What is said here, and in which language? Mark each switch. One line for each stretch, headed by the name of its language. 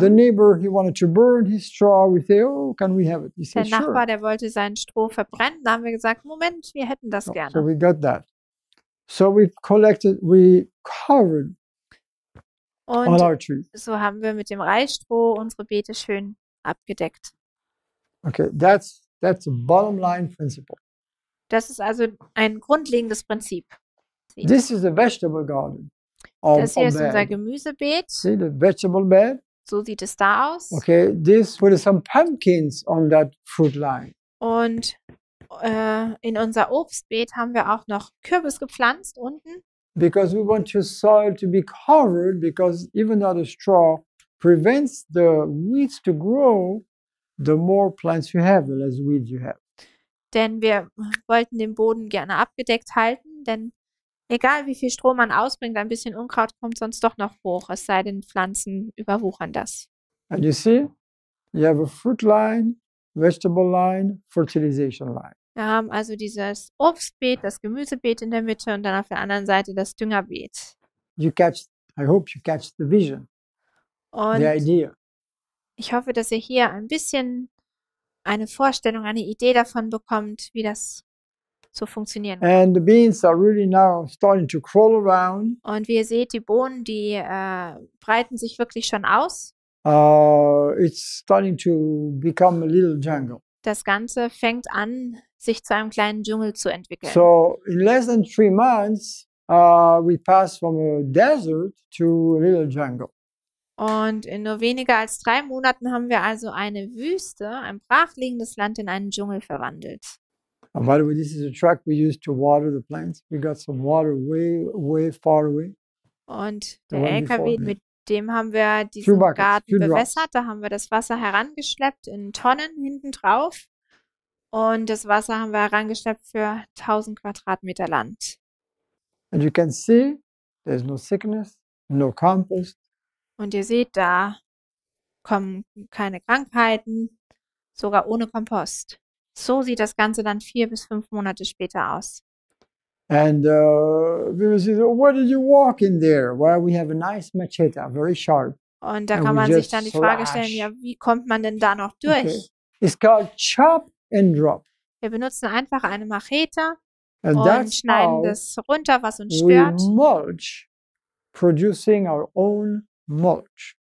English: The neighbor, he wanted to burn his straw. We say, oh, can we have it? He said,
German: der Nachbar, der wollte sein Stroh verbrennen. Da haben wir gesagt, Moment, wir hätten das gerne.
English: So we got that. So we covered
German: und
English: all our trees.
German: So haben wir mit dem Reisstroh unsere Beete schön abgedeckt.
English: Okay, that's a bottom line principle.
German: Das ist also ein grundlegendes Prinzip.
English: This is a vegetable garden.
German: Das hier ist unser Gemüsebeet.
English: See the vegetable bed?
German: So sieht es da aus.
English: Okay, this put some pumpkins on that fruit line.
German: Und in unser Obstbeet haben wir auch noch Kürbis gepflanzt unten.
English: Because we want your soil to be covered, because even though the straw prevents the weeds to grow, the more plants you have, the less weeds you have.
German: Denn wir wollten den Boden gerne abgedeckt halten, denn egal wie viel Stroh man ausbringt, ein bisschen Unkraut kommt sonst doch noch hoch, es sei denn, Pflanzen überwuchern das.
English: And you see, you have a fruit line, vegetable line, fertilization line.
German: Wir haben also dieses Obstbeet, das Gemüsebeet in der Mitte und dann auf der anderen Seite das Düngerbeet.
English: I hope you catch the vision,
German: und
English: the idea.
German: Ich hoffe, dass ihr hier ein bisschen eine Vorstellung, eine Idee davon bekommt, wie das so funktionieren kann.
English: And the beans are really now starting to crawl around.
German: Und wie ihr seht, die Bohnen, die breiten sich wirklich schon aus.
English: It's starting to become a little jungle.
German: Das Ganze fängt an, sich zu einem kleinen Dschungel zu entwickeln.
English: So in less than 3 months, we pass from a desert to a little jungle.
German: Und in nur weniger als 3 Monaten haben wir also eine Wüste, ein brachliegendes Land, in einen Dschungel verwandelt.
English: And by the way, this is a track we use to water the plants. We got some water way, way far away.
German: Und der LKW, mit dem haben wir diesen Garten bewässert. Da haben wir das Wasser herangeschleppt in Tonnen hinten drauf. Und das Wasser haben wir herangeschleppt für 1000 Quadratmeter Land.
English: And you can see, there's no sickness, no compost.
German: Und ihr seht, da kommen keine Krankheiten, sogar ohne Kompost. So sieht das Ganze dann 4 bis 5 Monate später aus.
English: And we say, where did you walk in there? Well, we have a nice machete, very sharp.
German: Und da kann man sich dann die Frage stellen, ja, wie kommt man denn da noch durch?
English: Okay. It's called chop and drop.
German: Wir benutzen einfach eine Machete und schneiden das runter, was uns stört.
English: Mulch, producing our own mulch.